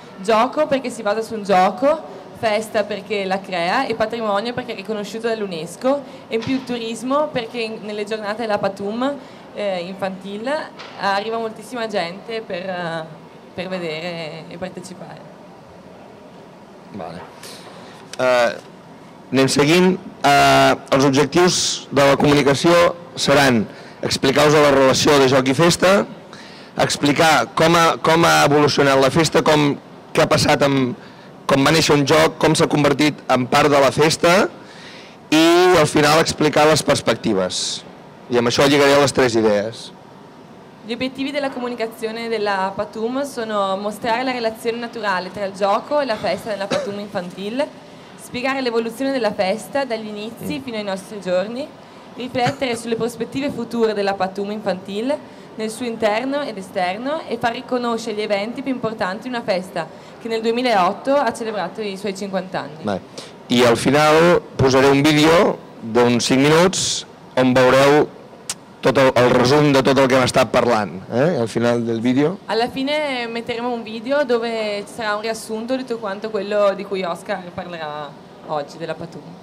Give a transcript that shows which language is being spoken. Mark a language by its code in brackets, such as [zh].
[it] Gioco perché si basa su un gioco, festa perché la crea e patrimonio perché è riconosciuto dall'UNESCO, e in più turismo perché nelle giornate della Patum infantile arriva moltissima gente per vedere e partecipare. [ca] Vale. Anem seguint, els objectius de la comunicació seran explicar-vos la relació de joc i festa, explicar com ha evolucionat la festa, què ha passat amb com va néixer un joc, com s'ha convertit en part de la festa, i al final explicar les perspectives. I amb això lligaré les tres idees. [it] Gli obiettivi della comunicazione della Patum sono mostrare la relazione naturale tra il gioco e la festa della Patum infantile, spiegare l'evoluzione della festa dagli inizi fino ai nostri giorni, riflettere sulle prospettive future della Patum infantile nel suo interno ed esterno e far riconoscere gli eventi più importanti di una festa che nel 2008 ha celebrato i suoi 50 anni. [ca] I al final posaré un vídeo d'uns 5 minuts on veureu tot el resum de tot el que hem estat parlant, al final del vídeo. [it] Alla fine metteremo un video dove ci sarà un riassunto di tutto quanto quello di cui Oscar parlerà oggi, della Patum.